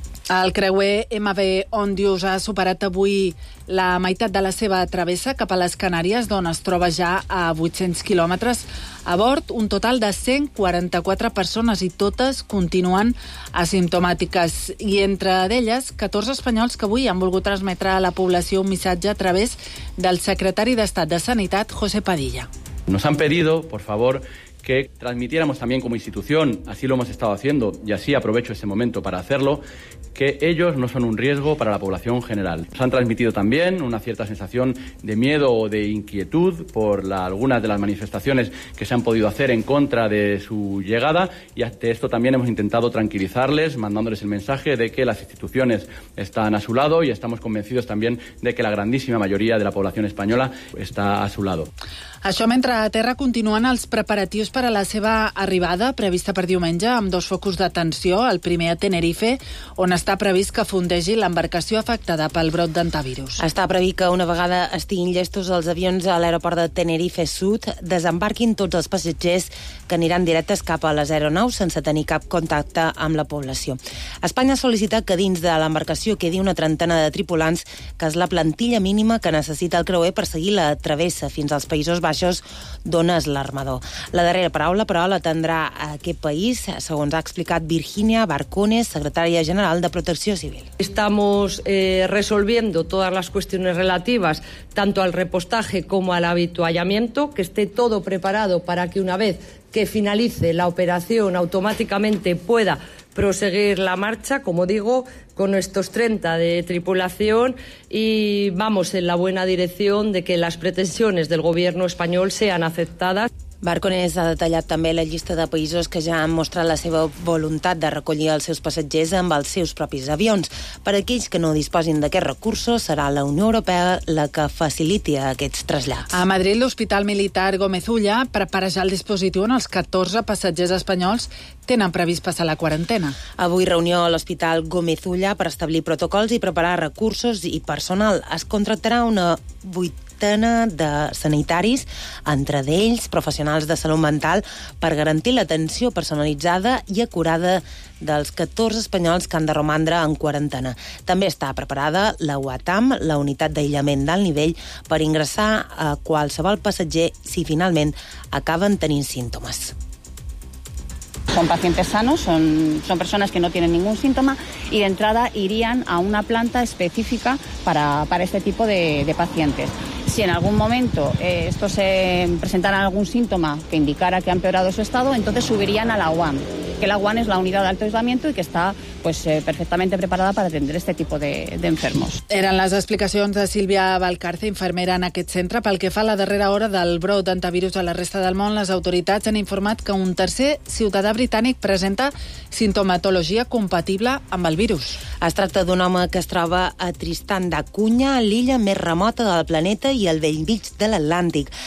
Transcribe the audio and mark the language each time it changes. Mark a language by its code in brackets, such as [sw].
[ca] El creuer MV Ondius ha superat avui la meitat de la seva travessa cap a les Canàries, d'on es troba ja a 800 quilòmetres. A bord, un total de 144 persones i totes continuen asimptomàtiques. I entre d'elles, 14 espanyols que avui han volgut transmetre a la població un missatge a través del secretari d'Estat de Sanitat, José Padilla. [es] Nos han pedido, por favor, que transmitiéramos también como institución, así lo hemos estado haciendo, y así aprovecho este momento para hacerlo, que ellos no son un riesgo para la población general. Nos han transmitido también una cierta sensación de miedo o de inquietud por algunas de las manifestaciones que se han podido hacer en contra de su llegada, y ante esto también hemos intentado tranquilizarles, mandándoles el mensaje de que las instituciones están a su lado y estamos convencidos también de que la grandísima mayoría de la población española está a su lado. [ca] Això mentre a terra continuen els preparatius per a la seva arribada, prevista per diumenge, amb dos focus d'atenció, el primer a Tenerife, on està previst que fondegi l'embarcació afectada pel brot d'antivirus. Està previst que una vegada estiguin llestos els avions a l'aeroport de Tenerife Sud, desembarquin tots els passatgers que aniran directes cap a les aeronaus sense tenir cap contacte amb la població. Espanya sol·licita que dins de l'embarcació quedi una trentena de tripulants, que és la plantilla mínima que necessita el creuer per seguir la travessa fins als Països Baixos, d'on és l'armador. La darrera paraula, però, la tindrà aquest país, segons ha explicat Virginia Barcones, secretària general de Protecció Civil. [es] Estamos resolviendo todas las cuestiones relativas tanto al repostaje como al habituallamiento, que esté todo preparado para que una vez que finalice la operación automáticamente pueda proseguir la marcha, como digo, con nuestros 30 de tripulación, y vamos en la buena dirección de que las pretensiones del gobierno español sean aceptadas. [ca] Barcones ha detallat també la llista de països que ja han mostrat la seva voluntat de recollir els seus passatgers amb els seus propis avions. Per a aquells que no disposin d'aquests recursos, serà la Unió Europea la que faciliti aquests trasllats. A Madrid, l'Hospital Militar Gómez Ulla prepara ja el dispositiu on els 14 passatgers espanyols tenen previst passar la quarantena. Avui reunió a l'Hospital Gómez Ulla per establir protocols i preparar recursos i personal. Es contractarà una vuitena de sanitaris, entre d'ells professionals de salut mental, per garantir l'atenció personalitzada i acurada dels 14 espanyols que han de romandre en quarantena. També està preparada la UATAM, la unitat d'aïllament d'alt nivell, per ingressar a qualsevol passatger si finalment acaben tenint símptomes. [es] Son pacientes sanos, son personas que no tienen ningún síntoma y de entrada irían a una planta específica para este tipo de pacientes. Si en algún momento estos se presentaran algún síntoma que indicara que ha empeorado su estado, entonces subirían a la UAM, que la UAM es la unidad de alto aislamiento y que está perfectamente preparada para atender este tipo de enfermos. [ca] Eren les explicacions de Sílvia Valcarce, infermera en aquest centre. Pel que fa a la darrera hora del brot d'antivirus a la resta del món, les autoritats han informat que un tercer ciutadà britànic presenta sintomatologia compatible amb el virus. Es tracta d'un home que es troba a Tristan da Cunha, l'illa més remota del planeta i el vell mig de l'Atlàntic.